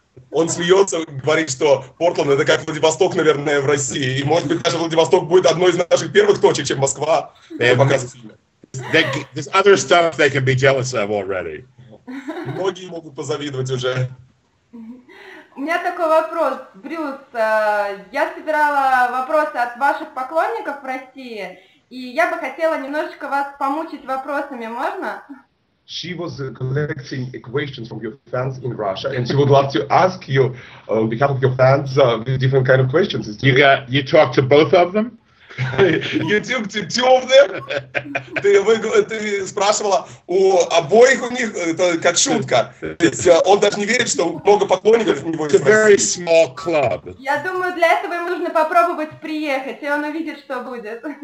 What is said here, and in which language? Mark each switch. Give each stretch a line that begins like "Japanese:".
Russian: Он смеется, говорит, что Портленд — это как Владивосток, наверное, в России, и может быть даже Владивосток будет одной из наших первых точек, чем Москва.
English: There's other stuff they can be jealous of already.
Russian: Многие могут позавидовать уже. У меня такой вопрос, Брюс. Я собирала вопросы от ваших поклонников в России, и я бы хотела немножечко вас помучить вопросами, можно?
English: She was collecting questions from your fans in Russia, and she would love to ask you on behalf of your fans different kind of questions. You talked to both of them? You took to two of them?
Russian: Ты спрашивала у обоих у них, это как шутка. Он даже не верит, что много поклонников у него есть.
English: It's a very small club.
Russian: Я думаю, для этого ему нужно попробовать приехать, и он увидит, что будет.